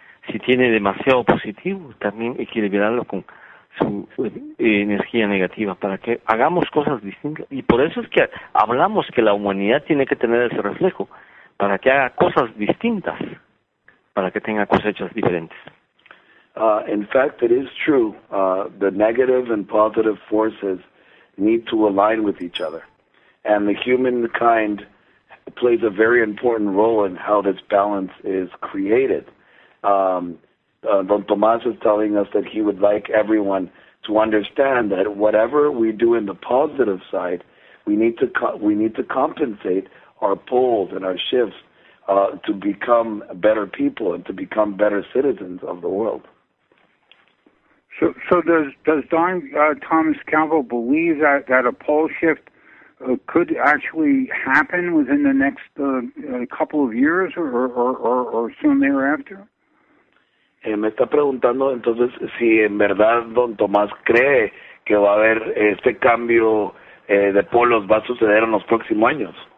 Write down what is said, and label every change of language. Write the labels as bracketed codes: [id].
[es] Si tiene demasiado positivo, también equilibrarlo con su energía negativa, para que hagamos cosas distintas. Y por eso es que hablamos que la humanidad tiene que tener ese reflejo, para que haga cosas distintas, para que tenga cosechas diferentes. [en] In fact, it is true. The negative and positive forces need to align with each other. And the humankind plays a very important role in how this balance is created. Don Tomas is telling us that he would like everyone to understand that whatever we do in the positive side, we need to compensate our poles and our shifts to become better people and to become better citizens of the world. So does Don Tomas Calvo believe that a pole shift could actually happen within the next couple of years or soon thereafter? [es] Me está preguntando entonces si en verdad Don Tomás cree que va a haber este cambio de polos va a suceder en los próximos años.